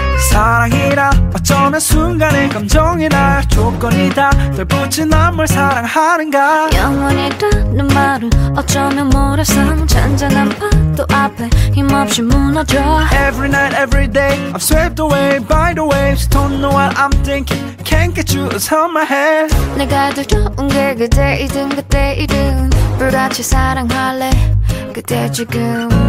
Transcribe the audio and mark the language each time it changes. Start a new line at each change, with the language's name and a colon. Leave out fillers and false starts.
Korean: 사랑이라 어쩌면 순간의 감정이라 조건이다. 널 붙인 난 뭘 사랑하는가. 영원이라는 말은 어쩌면 모래성. 잔잔한 파도 앞에 힘없이 무너져.
English: Every night every day I'm swept away by the waves. Don't know what I'm thinking, can't get you out of my head.
Korean: 내가 두려운 게 그대이든 그때이든 불같이 사랑할래 그대 지금.